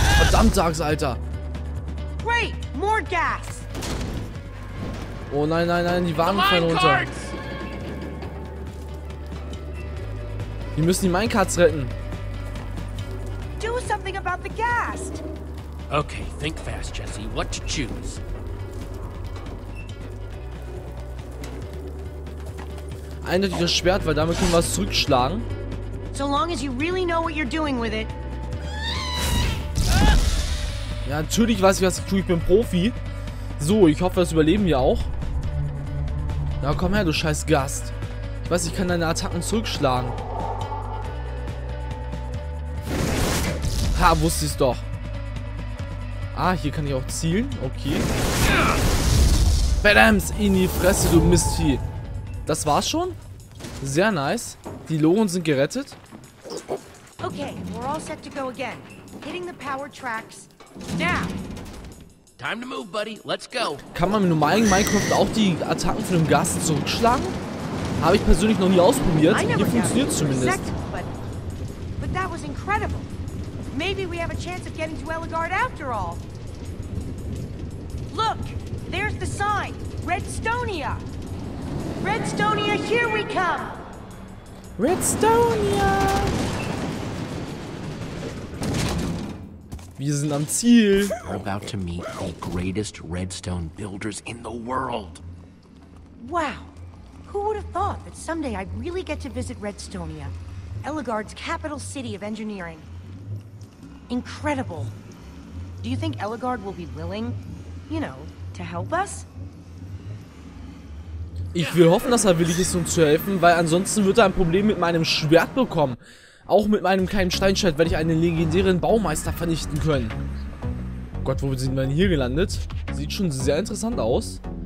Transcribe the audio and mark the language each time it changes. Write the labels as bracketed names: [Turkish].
[German] Samstags, Alter. [English] Great, more gas. [German] Oh nein, nein, nein, die Waren fallen runter. Wir müssen die Minecarts retten. [English] Do something about the gas. Okay, think fast, Jesse. What to choose? [German] Eindeutig das Schwert, weil damit können wir was zurückschlagen. [English] So long as you really know what you're doing with it. [German] Ja, natürlich weiß ich, was ich tue. Ich bin Profi. So, ich hoffe, das überleben wir auch. Na, komm her, du scheiß Gast. Ich weiß, ich kann deine Attacken zurückschlagen. Ha, wusste ich es doch. Ah, hier kann ich auch zielen. Okay. Badams, in die Fresse, du Mistvieh. Das war's schon? Sehr nice. Die Loren sind gerettet. [English] Okay, we're all set to go again. Hitting the power tracks. Now. Time to move, buddy. Let's go. [German] Kann man mit normalen Minecraft auch die Attacken von dem Gast zurückschlagen? Habe ich persönlich noch nie ausprobiert. Hier funktioniert zumindest. [English] But that was incredible. Maybe we have a chance of getting to Elagard after all. Look, there's the sign. Redstonia. Redstonia, here we come. Redstonia. Wir sind am Ziel. We're about to meet the greatest redstone builders in the world. Wow. Who would have thought that someday I'd really get to visit Redstonia, Elagard's capital city of engineering. Incredible. Do you think Elagard will be willing, you know, to help us? [German] Ich will hoffen, dass er willig ist, uns zu helfen, weil ansonsten wird er ein Problem mit meinem Schwert bekommen. Auch mit meinem kleinen Steinschwert werde ich einen legendären Baumeister vernichten können. Oh Gott, wo sind wir denn hier gelandet? Sieht schon sehr interessant aus.